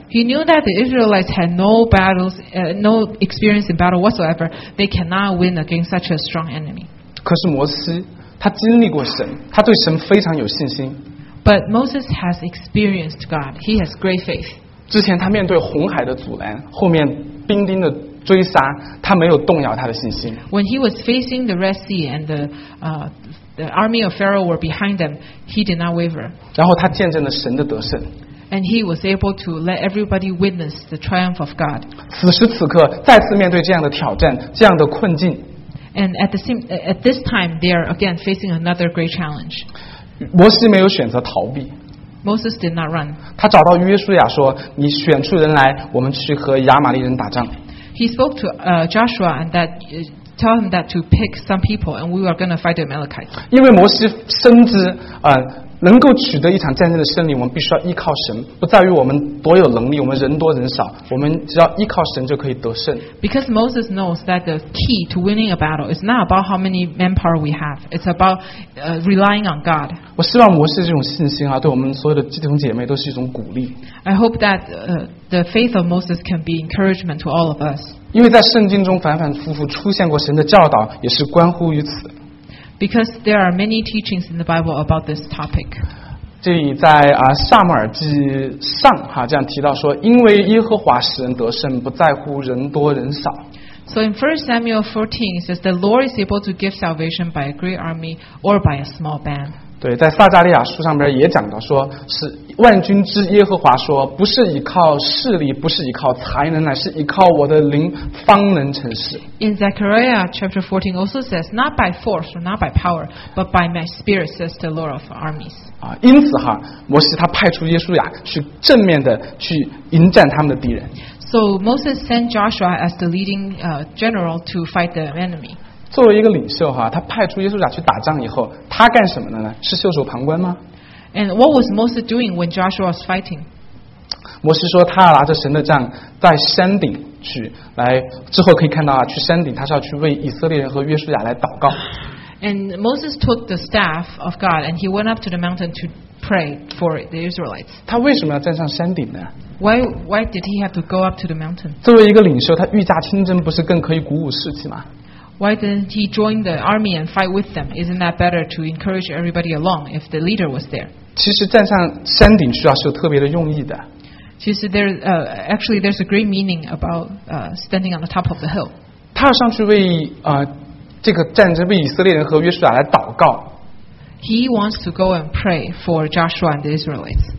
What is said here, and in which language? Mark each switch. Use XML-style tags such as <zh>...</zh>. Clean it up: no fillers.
<en>He knew that the Israelites had no battles, no experience in battle whatsoever. They cannot win against such a strong enemy.</en> <zh>可是摩西，他经历过神，他对神非常有信心。</zh> <en>But Moses has experienced God. He has great faith.</en> <zh>之前他面对红海的阻拦，后面兵丁的追杀，他没有动摇他的信心。</zh> <en>When he was facing the Red Sea and the army of Pharaoh were behind them, he did not waver.</en> <zh>然后他见证了神的得胜。</zh> <en>And he was able to let everybody witness the triumph of God.</en> <zh>此时此刻，再次面对这样的挑战，这样的困境。</zh> <en>And at this time, they are again facing another great challenge.</en> <zh>摩西没有选择逃避。</zh> <en>Moses did not run.</en> <zh>他找到约书亚说：“你选出人来，我们去和亚玛力人打仗。”</zh> <en>He spoke to Joshua and that tell him that to pick some people and we are going to fight the Amalekites.</en> <zh>因为摩西深知，能够取得一场战争的胜利，我们必须要依靠神，不在于我们多有能力，我们人多人少，我们只要依靠神就可以得胜。</zh> <en>Because Moses knows that the key to winning a battle is not about how many manpower we have, it's about relying on God.</en> <zh>我希望摩西这种信心啊，对我们所有的弟兄姐妹都是一种鼓励。</zh> <en>I hope that the faith of Moses can be encouragement to all of us.</en> <zh>因为在圣经中反反复复出现过神的教导，也是关乎于此。</zh> <en>Because there are many teachings in the Bible about this topic.</en> <zh>这里在撒母耳记上哈这样提到说，因为耶和华使人得胜，不在乎人多人少。</zh> <en>So in 1 Samuel 14 it says the Lord is able to give salvation by a great army or by a small band.</en> <zh>对，在撒加利亚书上边也讲到说，是万军之耶和华说，不是依靠势力，不是依靠才能，乃是依靠我的灵，方能成事。</zh> <en>In Zechariah chapter 14 also says, not by force or not by power, but by my spirit, says the Lord of armies.</en> <zh>因此哈，摩西他派出约书亚去正面的去迎战他们的敌人。</zh> <en>So Moses sent Joshua as the leading general to fight the enemy.</en> <zh>作为一个领袖哈，他派出约书亚去打仗以后，他干什么的呢？是袖手旁观吗？</zh> <en>And what was Moses doing when Joshua was fighting?</en> <zh>摩西说他拿着神的杖在山顶去来，之后可以看到去山顶他是要去为以色列人和约书亚来祷告。</zh> <en>And Moses took the staff of God and he went up to the mountain to pray for the Israelites.</en> <zh>他为什么要站上山顶呢？</zh> <en>Why did he have to go up to the mountain?</en> <zh>作为一个领袖，他御驾亲征不是更可以鼓舞士气吗？</zh> <en>Why didn't he join the army and fight with them? Isn't that better to encourage everybody along if the leader was there?</en> <zh>其实站上山顶去啊是有特别的用意的。其实</zh> <en>there's a great meaning about standing on the top of the hill.</en> <zh>他要上去为这个战争为以色列人和约书亚来祷告。</zh> <en>He wants to go and pray for Joshua and the Israelites.</en>